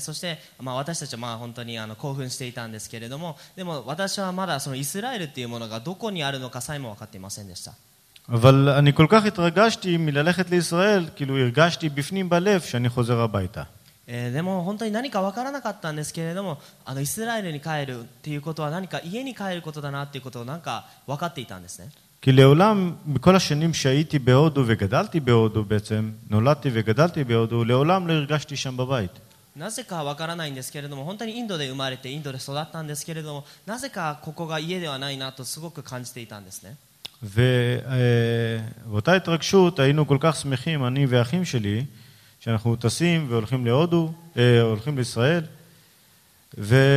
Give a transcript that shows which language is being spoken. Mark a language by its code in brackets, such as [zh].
[ja] そして、まあ、私たちはまあ本当に興奮していたんですけれども、でも私はまだそのイスラエルっていうものがどこにあるのかさえも分かっていませんでした。 [he] אבל אני כל כך התרגשתי מללכת לישראל, כאילו הרגשתי בפנים בלב שאני חוזר הביתה. [ja] でも本当に何か分からなかったんですけれども、イスラエルに帰るっていうことは何か家に帰ることだなっていうことをなんか分かっていたんですね。 [he] כי לעולם, בכל השנים שהייתי בהודו וגדלתי בהודו, בעצם נולדתי וגדלתי בהודו, לעולם לא הרגשתי שם בבית. [ja] なぜか分からないんですけれども、本当にインドで生まれてインドで育ったんですけれども、なぜかここが家ではないなとすごく感じていたんですね。 [he] ואותה התרגשות, היינו כל כך שמחים, אני ואחים שלי, שאנחנו טסים והולכים להודו, הולכים לישראל, ו...